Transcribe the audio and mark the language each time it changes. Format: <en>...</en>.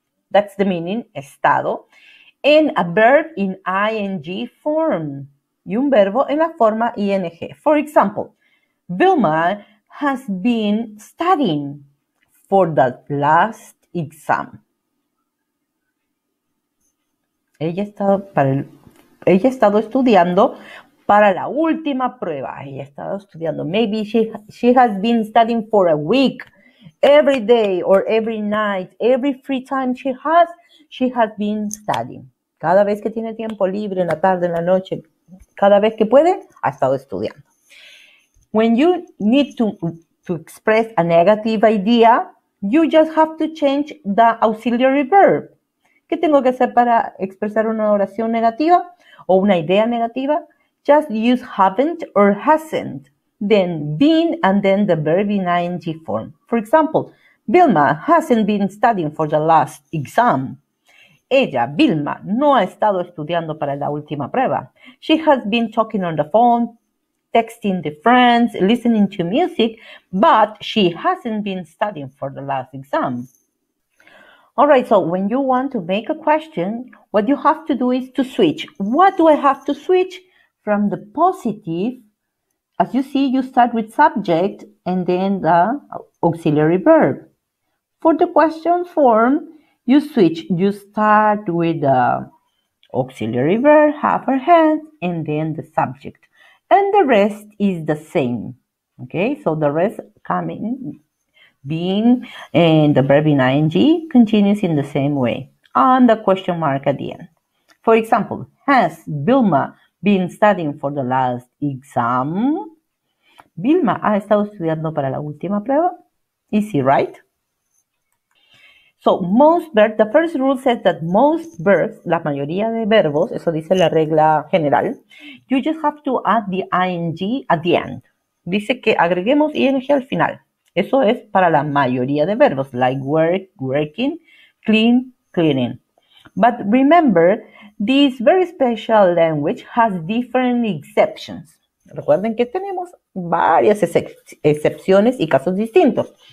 <en>That's the meaning, estado. And a verb in ing form.</en> <es>Y un verbo en la forma ing.</es> <en>For example, Vilma has been studying for the last exam.</en> <es>Ella ha estado estudiando para la última prueba. Ella ha estado estudiando.</es> <en>Maybe she has been studying for a week, every day or every night, every free time she has been studying.</en> <es>Cada vez que tiene tiempo libre, en la tarde, en la noche, cada vez que puede, ha estado estudiando.</es> <en>When you need to express a negative idea, you just have to change the auxiliary verb.</en> <es>¿Qué tengo que hacer para expresar una oración negativa o una idea negativa?</es> <en>Just use haven't or hasn't, then been, and then the verb in ing form. For example, Vilma hasn't been studying for the last exam.</en> <es>Ella, Vilma, no ha estado estudiando para la última prueba.</es> <en>She has been talking on the phone, texting the friends, listening to music, but she hasn't been studying for the last exam. All right, so when you want to make a question, what you have to do is to switch. What do I have to switch? From the positive, as you see, you start with subject and then the auxiliary verb. For the question form, you switch. You start with the auxiliary verb, have or has, and then the subject. And the rest is the same. Okay, so the rest coming, being, and the verb in ing continues in the same way. And the question mark at the end. For example, has Vilma been studying for the last exam?</en> <es>Vilma ha estado estudiando para la última prueba.</es> <en>Easy, right? So, most verbs, the first rule says that most verbs,</en> <es>la mayoría de verbos, eso dice la regla general,</es> <en>you just have to add the ing at the end.</en> <es>Dice que agreguemos ing al final. Eso es para la mayoría de verbos,</es> <en>like work, working, clean, cleaning. But remember, this very special language has different exceptions.</en> <es>Recuerden que tenemos varias excepciones y casos distintos.</es>